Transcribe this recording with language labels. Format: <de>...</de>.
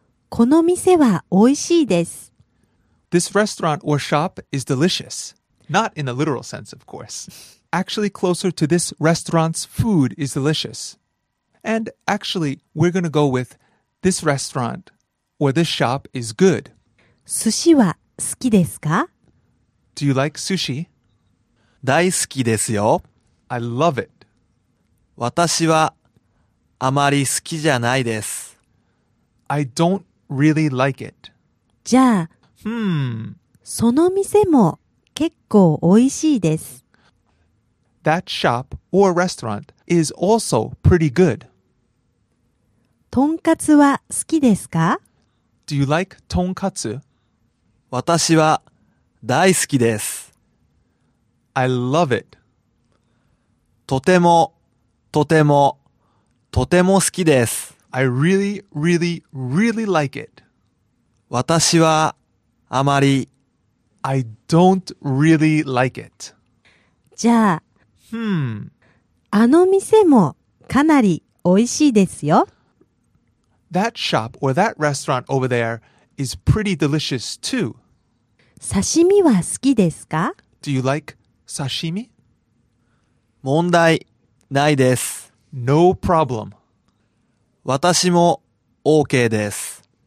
<ja>この店は美味しいです。</ja> <en>This restaurant or shop is delicious. Not in the literal sense, of course. Actually, closer to this restaurant's food is delicious. And actually, we're going to go with this restaurant or this shop is good.</en> <ja>寿司は好きですか?</ja> <en>Do you like sushi?</en> <ja>大好きですよ。</ja> <en>I love it.</en> <ja>私はあまり好きじゃないです。</ja> <en>I don't really like it.</en> <ja>じゃあ、その店も結構美味しいです。</ja> <en>That shop or restaurant is also pretty good.</en> <ja>とんかつは好きですか?</ja> <en>Do you like tonkatsu?</en> <ja>私は大好きです。</ja> <en>I love it.</en> <ja>とてもとてもとても好きです。</ja> <en>I really, really, really like it.</en> <ja>私はあまり</ja> <en>I don't really like it.</en> <ja>じゃあ、あの店もかなり美味しいですよ。</ja> <en>That shop or that restaurant over there is pretty delicious too.</en> <ja>刺身は好きですか?</ja> <en>Do you like 刺身?</en> <ja>問題ないです。</ja> <en>No problem.</en> <ja>私も OK です。</ja>